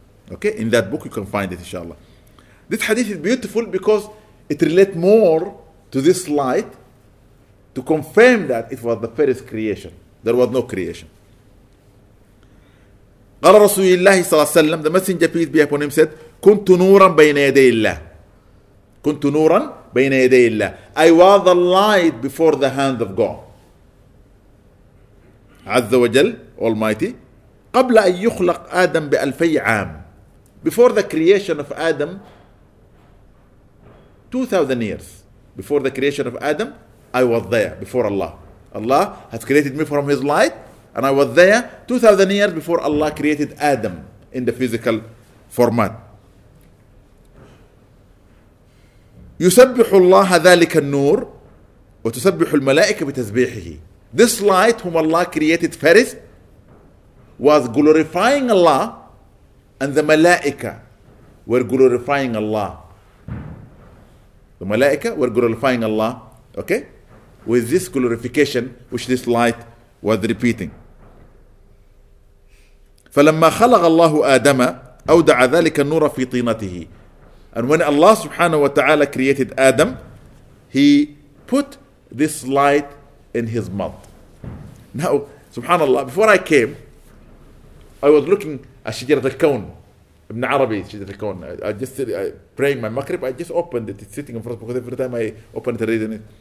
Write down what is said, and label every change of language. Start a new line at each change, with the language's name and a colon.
English: Okay, in that book you can find it, inshallah. This hadith is beautiful because it relates more to this light to confirm that it was the first creation. There was no creation.
Arabic: قال رسول الله صلى الله عليه وسلم,
English: the messenger peace be upon him said,
Arabic: كنت نورا بين يدي الله. كنت نورا بين يدي الله.
English: I was the light before the hand of God.
Arabic: عز وجل, Almighty, قبل أن يخلق آدم بألفي عام.
English: Before the creation of Adam, 2,000 years before the creation of Adam, I was there before Allah. Allah has created me from his light, and I was there 2,000 years before Allah created Adam in the physical format.
Arabic: يُسَبِّحُ اللَّهَ ذَلِكَ النُّورِ وَتُسَبِّحُ الْمَلَائِكَ بِتَسْبِيحِهِ.
English: This light whom Allah created first was glorifying Allah, and the Malaika were glorifying Allah. The Malaika were glorifying Allah, okay? With this glorification, which this light was repeating.
Arabic: فلما خلق الله آدم أودع ذلك النور في طينته.
English: And when Allah subhanahu wa ta'ala created Adam, he put this light in his mouth. Now, subhanallah, before I came, I was looking at Shijirat al-Kawn. Ibn Arabi, Shijirat al-Kawn. I just praying my maghrib, I just opened it. It's sitting in front of me because every time I open it, I read it.